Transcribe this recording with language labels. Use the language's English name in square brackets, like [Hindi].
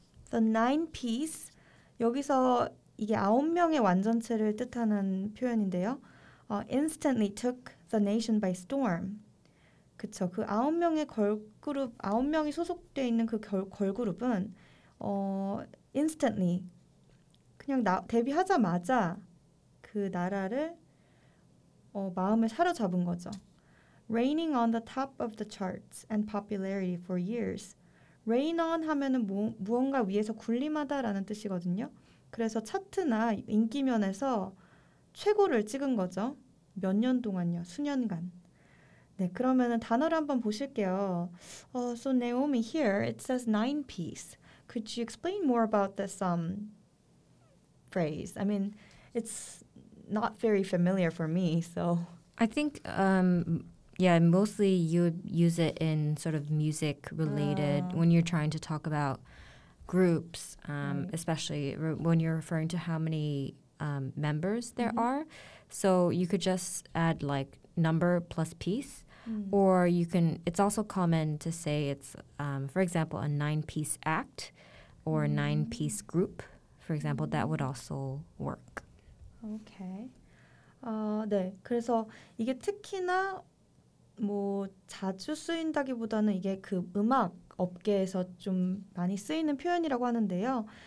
[English] The Nine Piece. [Korean] 여기서 이게 아홉 명의 완전체를 뜻하는 표현인데요. [English] Instantly took the nation by storm. [Korean] 그쵸. 그 아홉 명의 걸그룹, 아홉 명이 소속돼 있는 그 걸그룹은 instantly 그냥 데뷔하자마자 그 나라를 마음을 사로잡은 거죠. [English] Raining on the top of the charts and popularity for years. [Korean] Rain on 하면은 무언가 위에서 군림하다라는 뜻이거든요. 그래서 차트나 인기 면에서 최고를 찍은 거죠. 몇 년 동안요? 수년간. 네, 그러면은 단어를 한번 보실게요. [English] So Naomi, here it says nine piece. Could you explain more about this phrase? I mean, it's not very familiar for me, so. I think, yeah, mostly you use it in sort of music related when you're trying to talk about groups, right. Especially when you're referring to how many members there are. So you could just add like number plus piece. Or you can, it's also common to say it's, for example, a nine-piece act or a nine-piece group. For example, that would also work. Okay. [Korean] 네, 그래서 이게 특히나 뭐 자주 쓰인다기보다는 이게 그 음악 업계에서 좀 많이 쓰이는 표현이라고 하는데요.